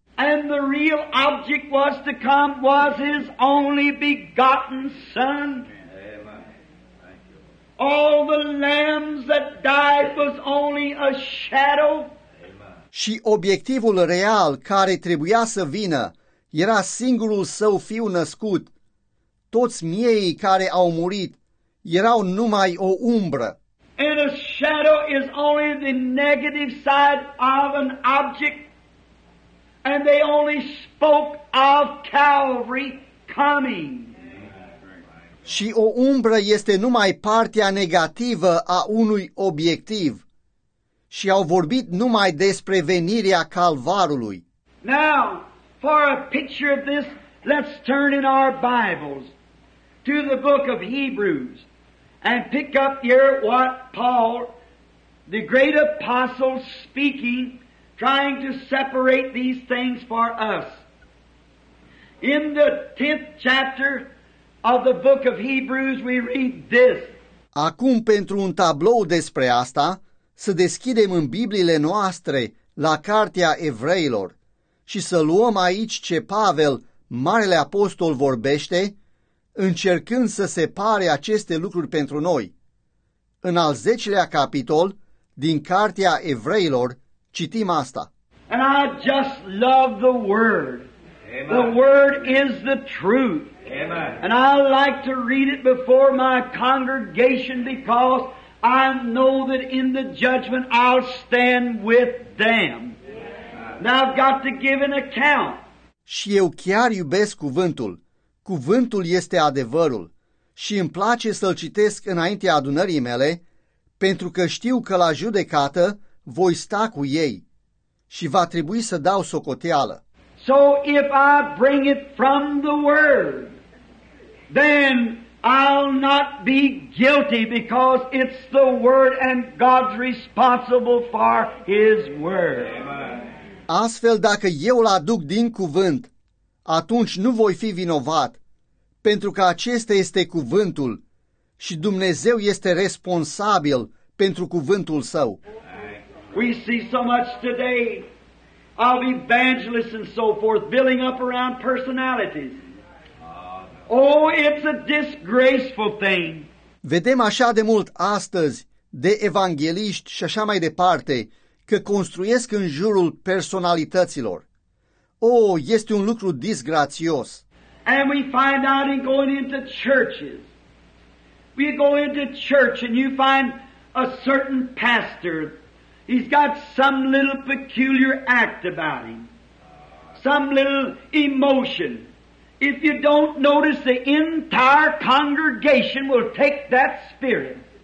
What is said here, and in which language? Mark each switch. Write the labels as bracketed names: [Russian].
[English] And the real object was to come was His only begotten Son. All the lambs that died was only a shadow. [Romanian] Și obiectivul real care trebuia să vină era singurul Său Fiu născut. Toți miei care au murit erau numai o umbră. [English] And a shadow is only the negative side of an object, and they only spoke of Calvary coming. [Romanian] Și o umbră este numai partea negativă a unui obiectiv. Și au vorbit numai despre venirea Calvarului. [English] Now, for a picture of this, let's turn in our Bibles to the book of Hebrews, and pick up here what Paul, the great apostle, speaking, trying to separate these things for us. In the 10th chapter of the book of Hebrews we read this. [Romanian] Acum pentru un tablou despre asta, să deschidem în Bibliile noastre la Cartea Evreilor și să luăm aici ce Pavel, Marele Apostol, vorbește, încercând să separe aceste lucruri pentru noi. În al 10-lea capitol din Cartea Evreilor citim asta. [English] And I just love the word. Amen. The word is the truth. Amen. And I like to read it before my congregation because I know that in the judgment I'll stand with them. Now I've got to give an account. [Romanian] Și eu chiar iubesc cuvântul. Cuvântul este adevărul și îmi place să-l citesc înaintea adunării mele, pentru că știu că la judecată voi sta cu ei și va trebui să dau socoteală. [English] So if I bring it from the word, then I'll not be guilty because it's the word and God's responsible for his word. [Romanian] Astfel, dacă eu îl aduc din cuvânt, atunci nu voi fi vinovat, pentru că acesta este cuvântul și Dumnezeu este responsabil pentru cuvântul său. [English] We see so much today of evangelists and so forth building up around personalities. Oh, it's a disgraceful thing. [Romanian] Vedem așa de mult astăzi de evangeliști și așa mai departe că construiesc în jurul personalităților. Oh, este un lucru disgrațios. [English] And we find out in going into churches. We go into church and you find a certain pastor. He's got some little peculiar act about him. Some little emotion. If you don't notice, the entire congregation will take that spirit.